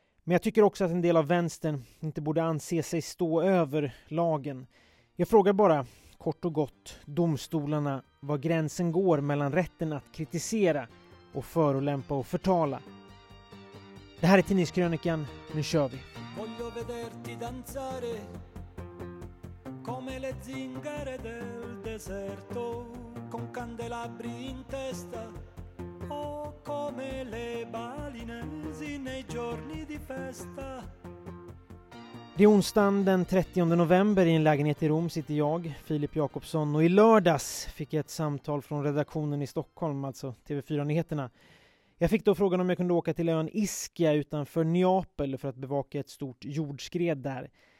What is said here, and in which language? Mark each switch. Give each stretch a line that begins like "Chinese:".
Swedish: Men jag tycker också att en del av vänstern inte borde anse sig stå över lagen. Jag frågar bara, kort och gott, domstolarna var gränsen går mellan rätten att kritisera och förolämpa och förtala. Det här är Tidningskrönikan, nu kör vi.
Italian: Voglio vederti danzare come le zingare del deserto con candelabri in testa o come le balinesi nei giorni di festa.
Swedish: Det är onsdagen den 30 november, i en lägenhet i Rom sitter jag, Filip Jakobsson, och i lördags fick jag ett samtal från redaktionen i Stockholm, alltså TV4-nyheterna. Jag fick då frågan om jag kunde åka till ön Ischia utanför Neapel för att bevaka ett stort jordskred där.